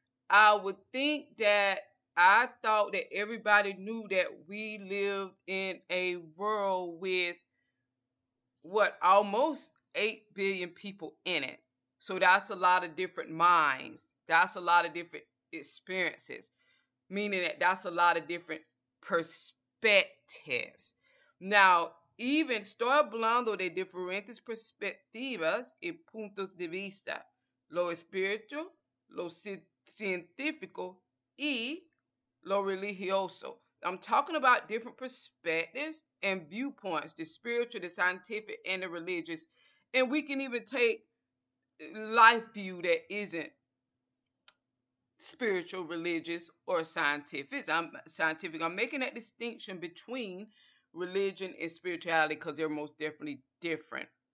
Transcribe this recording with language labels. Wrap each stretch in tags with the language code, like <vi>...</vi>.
<en>I would think that I thought that everybody knew that we lived in a world with, almost 8 billion people in it. So that's a lot of different minds. That's a lot of different experiences. Meaning that that's a lot of different perspectives. Now, even</en> <es>estoy hablando de diferentes perspectivas y puntos de vista, lo espiritual, lo científico y lo religioso.</es> <en>I'm talking about different perspectives and viewpoints, the spiritual, the scientific, and the religious. And we can even take life view that isn't spiritual, religious, or scientific. I'm making that distinction between religion and spirituality because they're most definitely different.</en>